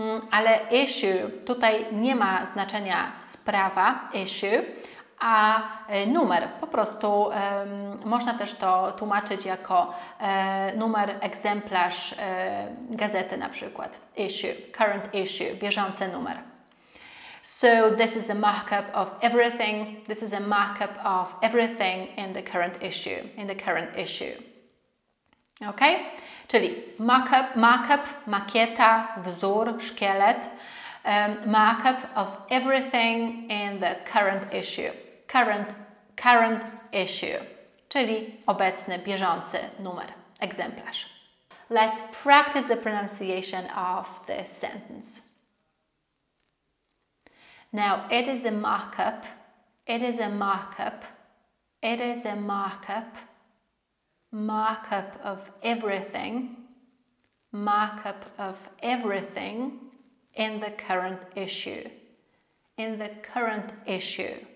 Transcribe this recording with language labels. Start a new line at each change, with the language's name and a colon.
Polish: Ale issue, tutaj nie ma znaczenia sprawa, issue, a numer, po prostu można też to tłumaczyć jako numer, egzemplarz gazety na przykład.
English: Issue, current issue,
Polish: bieżący numer.
English: So this is a mock-up of everything, this is a mock-up of everything in the current issue, in the current issue. OK?
Polish: Czyli mock-up, makieta, wzór, szkielet.
English: Mock-up of everything in the current issue. Current issue.
Polish: Czyli obecny, bieżący numer, egzemplarz.
English: Let's practice the pronunciation of this sentence. Now, it is a mock-up. It is a mock-up. It is a mock-up. Mock-up of everything, mock-up of everything in the current issue, in the current issue.